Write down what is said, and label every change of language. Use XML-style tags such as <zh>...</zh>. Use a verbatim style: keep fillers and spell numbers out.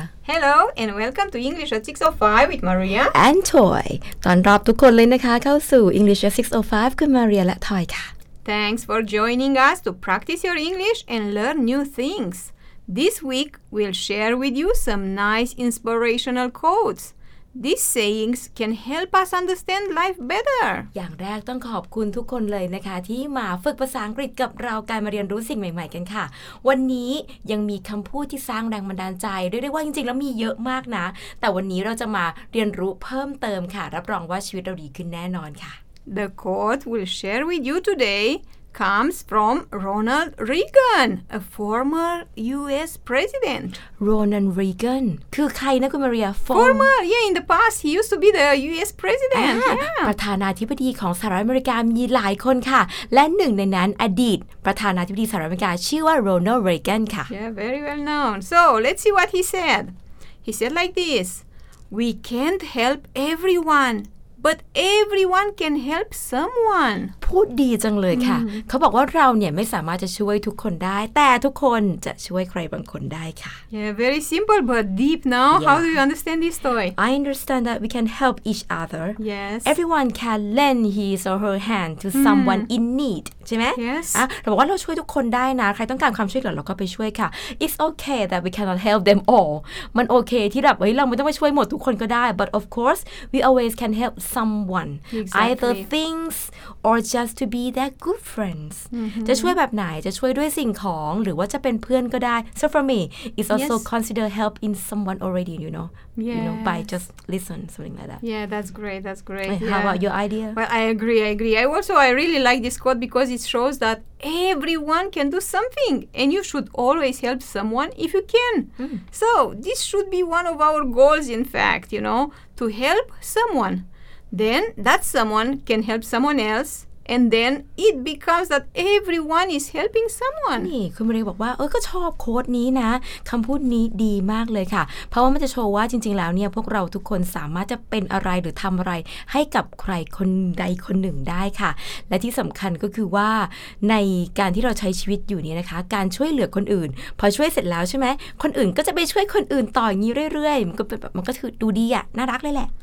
<en>Hello and welcome to English at six oh five with Maria.</en> <th>and Toy ตอนรับทุกคนเลยนะคะเข้าสู่ English at six oh five กับ Maria และ Toy ค่ะ</th> <en>Thanks for joining us to practice your English and learn new things. This week we'll share with you some nice inspirational quotes. These sayings can help us understand life better.</en> <th>อย่างแรกต้องขอบคุณทุกคนเลยนะคะที่มาฝึกภาษาอังกฤษกับเราการมาเรียนรู้สิ่งใหม่ๆกันค่ะวันนี้ยังมีคำพูดที่สร้างแรงบันดาลใจเรียกได้ว่าจริงๆแล้วมีเยอะมากนะแต่วันนี้เราจะมาเรียนรู้เพิ่มเติมค่ะรับรองว่าชีวิตเราดีขึ้นแน่นอนค่ะ</th> <en>The quote we'll share with you today comes from Ronald Reagan, a former ยู เอส president.</en> <th>Ronald Reagan คือใครนะคุณมาเรีย</th> <en>Form... Former, yeah, in the past he used to be the ยู เอส president. Ah, yeah.</en> <th>ประธานาธิบดีของสหรัฐอเมริกามีหลายคนค่ะและหนึ่งในนั้นอดีตประธานาธิบดีสหรัฐอเมริกาชื่อว่า Ronald Reagan ค่ะ</th> <en>Yeah, very well known. So, let's see what he said. He said like this, "We can't help everyone." But everyone can help someone.</en> <th>พูดดีจังเลยค่ะ mm. เขาบอกว่าเราเนี่ยไม่สามารถจะช่วยทุกคนได้แต่ทุกคนจะช่วยใครบางคนได้ค่ะ</th> <en>Yeah, very simple but deep now. Yeah. How do you understand this story? I understand that we can help each other. Yes. Everyone can lend his or her hand to mm. someone in need.</en> <th>ใช่ไหม</th> <en>Yes.</en> <th>อ่ะเราบอกว่าเราช่วยทุกคนได้นะใครต้องการความช่วยเหลือเราก็ไปช่วยค่ะ</th> <en>It's okay that we cannot help them all.</en> <th>มันโอเคที่แบบเฮ้ยเราไม่ต้องไปช่วยหมดทุกคนก็ได้</th> <en>But of course we always can help. someone exactly. either things or just to be their good friends mm-hmm.</en> <th>จะช่วยแบบไหนจะช่วยด้วยสิ่งของหรือว่าจะเป็นเพื่อนก็ได้</th> <en>so for me it's also yes. consider help in someone already you know yes. you know by just listen something like that yeah that's great that's great how yeah. about your idea well I agree I agree I also I really like this quote because it shows that everyone can do something and you should always help someone if you can mm. so this should be one of our goals in fact you know to help someone Then that someone can help someone else, and then it becomes that everyone is helping someone.</en> <th>นี่คุณมารีบอกว่าเออก็ชอบโค้ดนี้นะคำพูดนี้ดีมากเลยค่ะเพราะว่ามันจะโชว์ว่าจริงๆแล้วเนี่ยพวกเราทุกคนสามารถจะเป็นอะไรหรือทำอะไรให้กับใครคนใดคนหนึ่งได้ค่ะและที่สำคัญก็คือว่าในการที่เราใช้ชีวิตอยู่เนี่ยนะคะการช่วยเหลือคนอื่นพอช่วยเสร็จแล้วใช่ไหมคนอื่นก็จะไปช่วยคนอื่นต่ออย่างนี้เรื่อยๆมันก็มันก็คือดูดีอะน่ารักเลยแหละ</th>